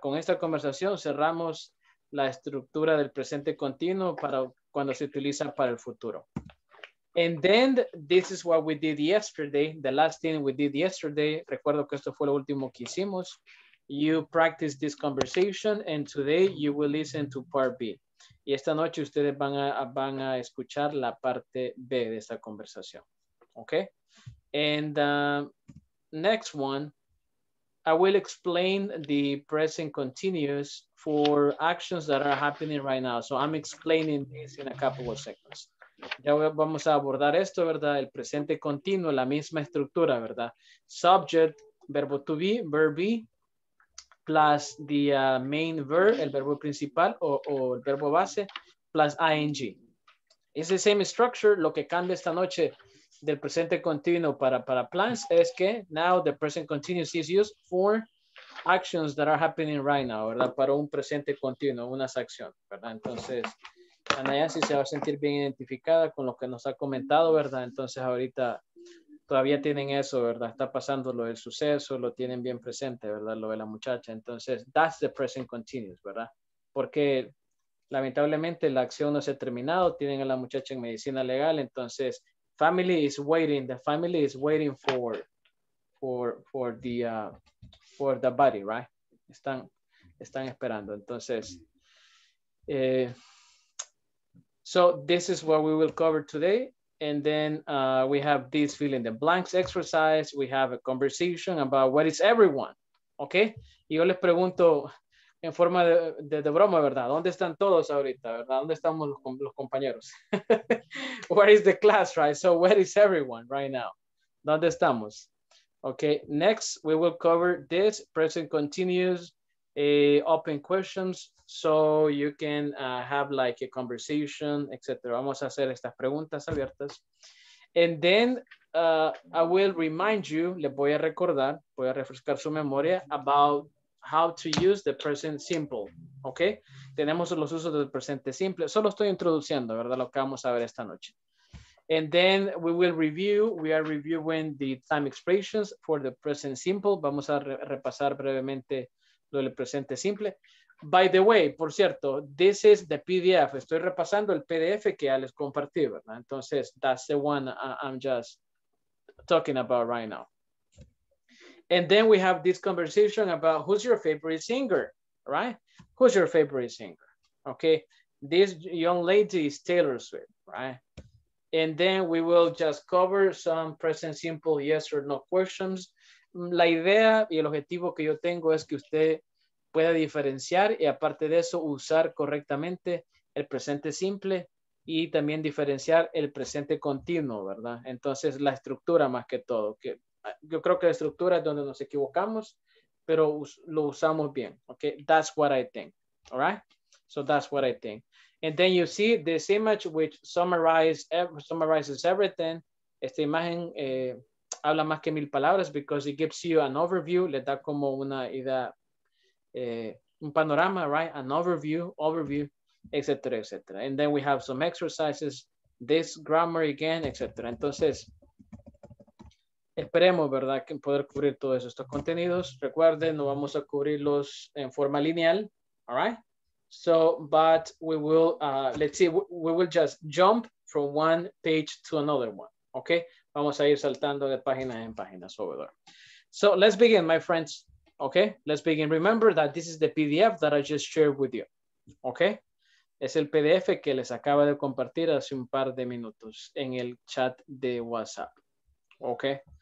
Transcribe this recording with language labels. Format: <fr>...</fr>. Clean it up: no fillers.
<es>Con esta conversación cerramos la estructura del presente continuo para cuando se utiliza para el futuro.</es> <en>And then this is what we did yesterday, the last thing we did yesterday.</en> <es>Recuerdo que esto fue lo último que hicimos.</es> <en>You practice this conversation and today you will listen to part B.</en> <es>Y esta noche ustedes van a escuchar la parte B de esta conversación.</es> <en>Okay? And next one, I will explain the present continuous for actions that are happening right now. So I'm explaining this in a couple of seconds.</en> <es>Ya vamos a abordar esto, ¿verdad? El presente continuo, la misma estructura, ¿verdad?</es> <en>Subject, verbo to be, verb be, plus the main verb,</en> <es>el verbo principal o el verbo base,</es> <en>plus ing. It's the same structure.</en> <es>Lo que cambia esta noche del presente continuo para plans es que</es> <en>now the present continuous is used for actions that are happening right now, ¿verdad?</en> <es>Para un presente continuo, unas acciones, ¿verdad? Entonces, Anayansi se va a sentir bien identificada con lo que nos ha comentado, ¿verdad? Entonces, ahorita todavía tienen eso, ¿verdad? Está pasando lo del suceso, lo tienen bien presente, ¿verdad? Lo de la muchacha. Entonces,</es> <en>that's the present continuous,</en> <es>¿verdad? Porque, lamentablemente, la acción no se ha terminado. Tienen a la muchacha en medicina legal. Entonces,</es> <en>family is waiting. The family is waiting for the body, right?</en> <es>Están esperando. Entonces,</es> <en>so this is what we will cover today. And then we have this fill in the blanks exercise. We have a conversation about what is everyone, okay?</en> <es>Y yo les pregunto en forma de broma, ¿verdad? ¿Dónde están todos ahorita, verdad? ¿Dónde estamos los compañeros?</es> <en>Where is the class, right? So where is everyone right now?</en> <es>¿Dónde estamos?</es> <en>Okay, next we will cover this present continuous open questions so you can have like a conversation, etc.</en> <es>Vamos a hacer estas preguntas abiertas.</es> <en>And then I will remind you,</en> <es>les voy a recordar, voy a refrescar su memoria</es> <en>about how to use the present simple, okay?</en> <es>Tenemos los usos del presente simple. Solo estoy introduciendo, ¿verdad? Lo que vamos a ver esta noche.</es> <en>And then we will review, we are reviewing the time expressions for the present simple.</en> <es>Vamos a repasar brevemente lo del presente simple.</es> <en>By the way,</en> <es>por cierto,</es> <en>this is the PDF.</en> <es>Estoy repasando el PDF que ya les compartí, ¿verdad?</es> <en>Entonces, that's the one I'm just talking about right now. And then we have this conversation about who's your favorite singer, right? Who's your favorite singer? Okay, this young lady is Taylor Swift, right? And then we will just cover some present simple yes or no questions.</en> <es>La idea y el objetivo que yo tengo es que usted pueda diferenciar y aparte de eso usar correctamente el presente simple y también diferenciar el presente continuo, ¿verdad? Entonces la estructura más que todo, que yo creo que la estructura es donde nos equivocamos, pero lo usamos bien.</es> <en>Okay, that's what I think. All right, so that's what I think. And then you see this image which summarizes everything.</en> <es>Esta imagen habla más que mil palabras</es> <en>because it gives you an overview.</en> <es>Le da como una idea, un panorama, right?</es> <en>An overview, etc., etc. And then we have some exercises. This grammar again, etc.</en> <es>Entonces, esperemos, ¿verdad?, que poder cubrir todos estos contenidos. Recuerden, no vamos a cubrirlos en forma lineal, all right?</es> <en>So, but we will, let's see, we will just jump from one page to another one, okay?</en> <es>Vamos a ir saltando de página en página sobre todo.</es> <en>So, let's begin, my friends, okay? Let's begin. Remember that this is the PDF that I just shared with you, okay?</en> <es>Es el PDF que les acabo de compartir hace un par de minutos en el chat de WhatsApp, okay?</es>